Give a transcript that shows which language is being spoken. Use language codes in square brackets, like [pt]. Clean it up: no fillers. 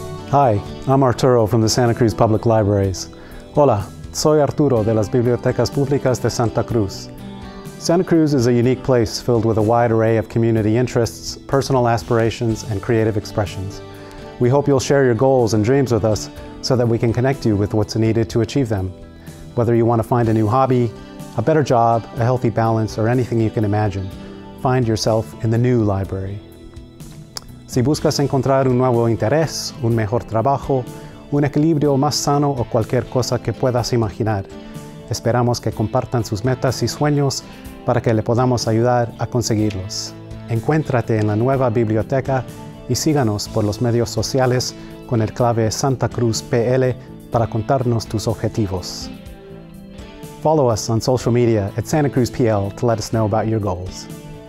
[en] Hi, I'm Arturo from the Santa Cruz Public Libraries. [es] Hola, soy Arturo de las Bibliotecas Públicas de Santa Cruz. [en] Santa Cruz is a unique place filled with a wide array of community interests, personal aspirations, and creative expressions. We hope you'll share your goals and dreams with us so that we can connect you with what's needed to achieve them. Whether you want to find a new hobby, a better job, a healthy balance, or anything you can imagine, find yourself in the new library. [es] Si buscas encontrar un nuevo interés, un mejor trabajo, un equilibrio más sano o cualquier cosa que puedas imaginar, esperamos que compartan sus metas y sueños para que le podamos ayudar a conseguirlos. Encuéntrate en la nueva biblioteca y síganos por los medios sociales con el clave Santa Cruz PL para contarnos tus objetivos. [en] Follow us on social media at Santa Cruz PL to let us know about your goals.